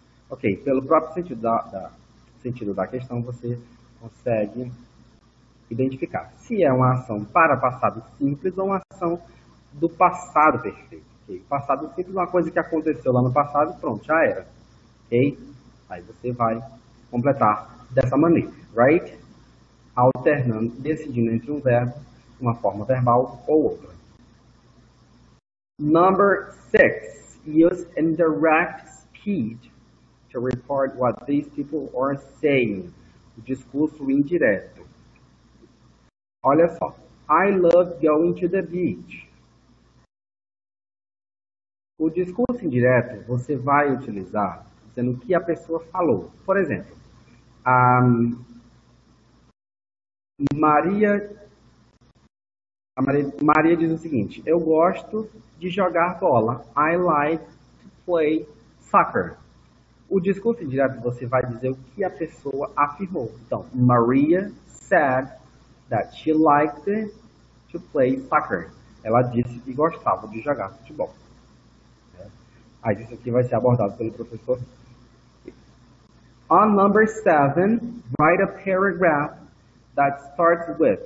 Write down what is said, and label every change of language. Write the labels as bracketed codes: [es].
[pt] Ok, pelo próprio sentido da questão, você consegue identificar se é uma ação para passado simples ou uma ação do passado perfeito. Okay? Passado simples é uma coisa que aconteceu lá no passado e pronto, já era. Ok? Aí você vai completar dessa maneira, right? Alternando, decidindo entre um verbo, uma forma verbal ou outra. [en] Number 6, use indirect speech to report what these people are saying. [pt] O discurso indireto. Olha só. [en] I love going to the beach. [pt] O discurso indireto, você vai utilizar dizendo o que a pessoa falou. Por exemplo, Maria diz o seguinte, eu gosto de jogar bola. [en] I like to play soccer. [pt] O discurso indireto, você vai dizer o que a pessoa afirmou. Então, [en] Maria said that she liked to play soccer. [pt] Ela disse que gostava de jogar futebol. Aí, isso aqui vai ser abordado pelo professor. [en] On number 7, write a paragraph that starts with.